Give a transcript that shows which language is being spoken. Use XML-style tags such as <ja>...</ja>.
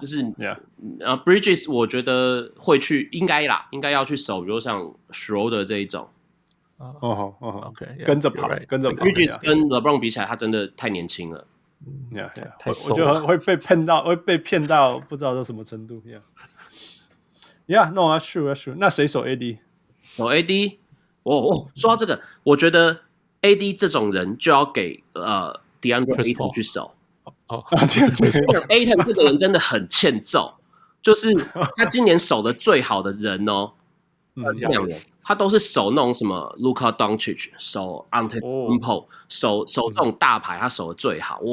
<zh>就是 yeah, Bridges 我觉得会去，应该啦，应该要去守，比如像 Schroeder 这一种。哦、 oh, 好、 oh, oh,</zh> <en>，OK, yeah,</en> <zh>跟着跑，跟着跑。 Bridges 跟 LeBron 比起来，他真的太年轻了。</zh> <en>yeah, yeah.</en> <zh>我就会被骗到，会被骗到不知道到什么程度。</zh> <en>Yeah, yeah, no, that's true, that's true.</en> <zh>那谁守 AD？守 AD？哦哦，说到这个，我觉得 AD 这种人就要给DeAndre Ayton 去守。 DeAndre Ayton 这个人真的很欠揍，就是他今年守的最好的人哦。他都是守那种什么 Luka Doncic， 守 Ante Kumpo，守这种大牌，他守的最好。</zh>